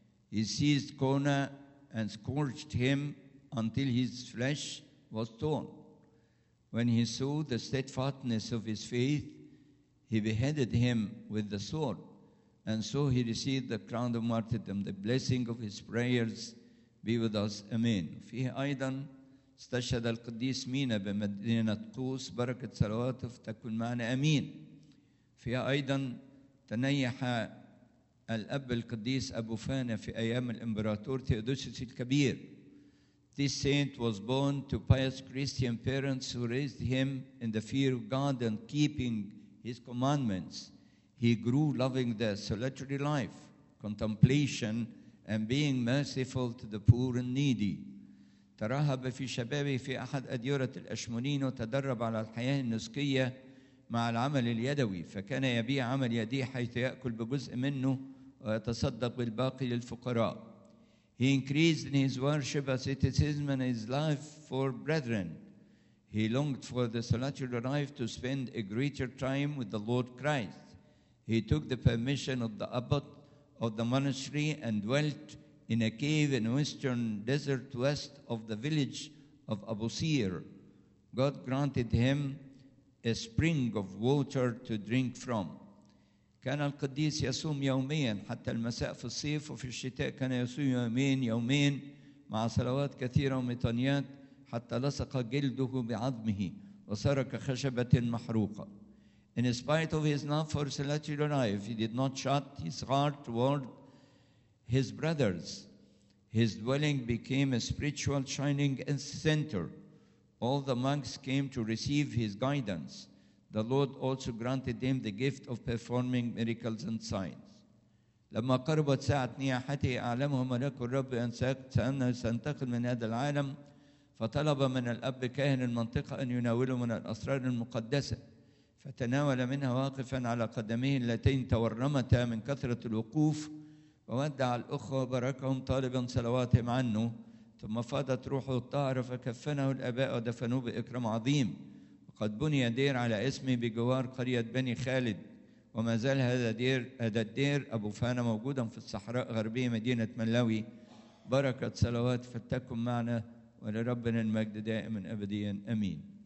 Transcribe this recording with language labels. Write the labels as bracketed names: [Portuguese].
[English] He seized Cona and scourged him until his flesh was torn. When he saw the steadfastness of his faith, he beheaded him with the sword, and so he received the crown of martyrdom. The blessing of his prayers be with us. Amen. [Arabic] فيه أيضا استشهد القديس مينا بمدينة قوس بركة صلواته فتكن معنا أمين. فيها أيضا تنيح الأب القديس أبو فانا في أيام الإمبراطور ثيودوسيوس الكبير. [English] This saint was born to pious Christian parents who raised him in the fear of God and keeping his commandments. He grew loving the solitary life, contemplation, and being merciful to the poor and needy. [Arabic] ترهب في شبابه في أحد أديرة الأشمونين وتدرب على الحياة النسكية مع العمل اليدوي، فكان يبيع عمل يديه حيث يأكل بجزء منه ويتصدق بالباقي للفقراء. [English] He increased in his worship, asceticism, and his life for brethren. He longed for the celestial life to spend a greater time with the Lord Christ. He took the permission of the abbot of the monastery and dwelt in a cave in western desert west of the village of Abu Sir. God granted him a spring of water to drink from. [Arabic] كان القديس يصوم يومياً حتى المساء في الصيف وفي الشتاء كان يصوم يومين مع صلوات كثيرة ومطنيات حتى لصق جلده بعظمه وصار كخشبة محروقة. [English] In spite of his love for celestial life, he did not shut his heart toward his brothers. His dwelling became a spiritual shining center. All the monks came to receive his guidance. The Lord also granted him the gift of performing miracles and signs. [Arabic] لما قربت ساعة نياحته أعلمه ملك الرب أن سينتقل من هذا العالم فطلب من الأب كاهن المنطقة أن يناوله من الأسرار المقدسة فتناول منها واقفا على قدميه اللتين تورمتا من كثرة الوقوف وودع الأخوة وبركهم طالبا صلواتهم عنه ثم فاضت روحه الطاهرة فكفنه الآباء ودفنوه بإكرام عظيم قد بني دير على اسمه بجوار قرية بني خالد وما زال هذا الدير أبو فانا موجودا في الصحراء غربية مدينة ملاوي بركة صلوات فتكم معنا ولربنا المجد دائما أبديا أمين.